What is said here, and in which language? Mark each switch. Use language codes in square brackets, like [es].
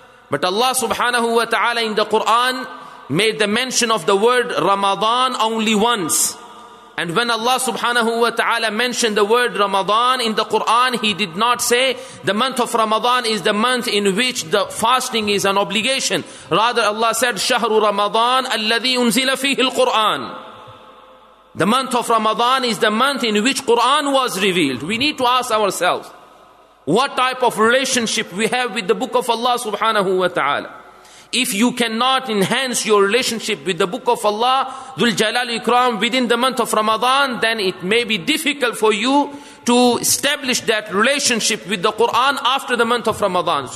[en] But Allah subhanahu wa ta'ala in the Quran made the mention of the word Ramadan only once. And when Allah subhanahu wa ta'ala mentioned the word Ramadan in the Quran, He did not say the month of Ramadan is the month in which the fasting is an obligation. Rather, Allah said, [ar] شَهْرُ رَمَضَانَ أَلَّذِي أُنزِلَ فِيهِ الْقُرْآنِ. [en] The month of Ramadan is the month in which Quran was revealed. We need to ask ourselves, what type of relationship we have with the book of Allah subhanahu wa ta'ala? If you cannot enhance your relationship with the book of Allah, Dhul Jalal Ikram, within the month of Ramadan, then it may be difficult for you to establish that relationship with the Quran after the month of Ramadan.